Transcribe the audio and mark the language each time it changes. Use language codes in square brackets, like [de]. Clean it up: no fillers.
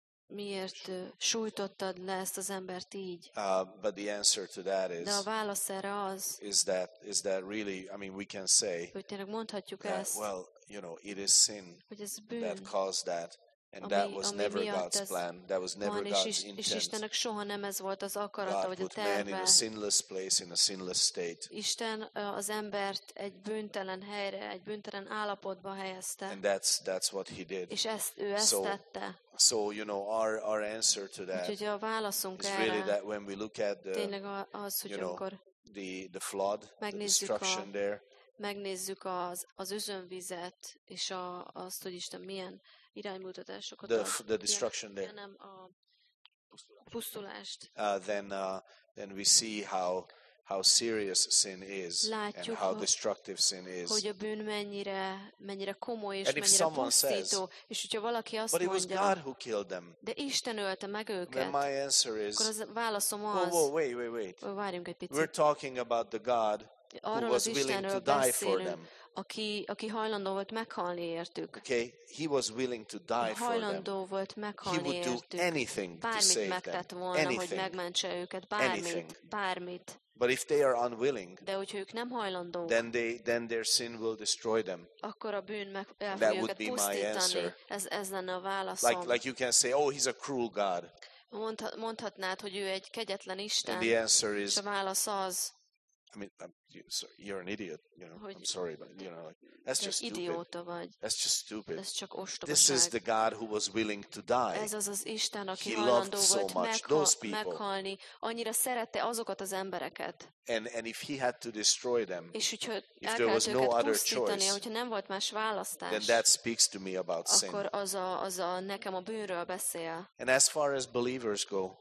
[hu] Miért sújtottad le ezt az embert így? [en] But the answer to that is, [hu] de a válasz erre az, [en] is that really, I mean, we can say, [hu] hogy tényleg mondhatjuk ezt, [en] well, you know, it is sin, [hu] hogy ez bűn, [en] that caused that, and [hu] ami, [en] that was never God's plan, that was never God's intent. [hu] És Istennek soha nem ez volt az akarata, [en] God [hu] vagy a terve. [en] God put man in a sinless place, in a sinless state. [hu] Isten az embert egy bűntelen helyre, egy bűntelen állapotba helyezte. [en] And that's what he did. [hu] És ezt ő ezt tette. [en] So you know our answer to that. [hu] Úgyhogy a válaszunk erre. [en] Really that when we look at the, [hu] tényleg az, hogy akkor [en] the flood, [hu] megnézzük [en] the destruction there. [hu] Megnézzük az özönvizet és azt, hogy Isten milyen iránymutatásokat ad. [en] The destruction there. [hu] Nem a pusztulást. [en] Then we see how serious sin is. [hu] Látjuk, [en] and how destructive sin is. [hu] Hogy a bűn mennyire komoly és mennyire pusztító. És hogyha valaki azt [en] but [hu] mondja, [en] it was God who killed them. [hu] De Isten ölte meg őket. [en] Then my answer is, [hu] akkor az válaszom az, [en] wait. We're talking about the God who was willing to die for them. [hu] Aki hajlandó volt meghalni értük. [en] Okay, he was willing to die for them. [hu] Hajlandó volt meghalni értük. [en] He would do anything to [hu] bármit [en] save [hu] megtett [en] them. [hu] Volna, [en] anything. [hu] Hogy megmentse őket. Bármit. [en] But if they are unwilling, [hu] de hogyha ők nem hajlandó, [en] then their sin will destroy them. [hu] Akkor a bűn meg fogja őket pusztítani. Ez lenne a válaszom. [en] Like you can say, oh, he's a cruel God. [hu] Mondhatnád, hogy ő egy kegyetlen Isten. [en] And the answer is, [hu] és a válasz az, [en] I mean, you're an idiot. You know, [hu] hogy, [en] I'm sorry, but you know, like, that's just stupid. [hu] Idióta vagy. [en] That's just stupid. [hu] Ez csak ostobaság. [en] This is the God who was willing to die. [hu] Ez az Isten, aki [en] he loved so much those people. [hu] Meghalni. Annyira szerette azokat az embereket. [en] And if he had to destroy them, [hu] és hogyha el kellett őket pusztítani, hogyha nem volt más választás, [en] then that speaks to me about sin. [hu] Akkor az a nekem a bűnről beszél. [en] And as far as believers go,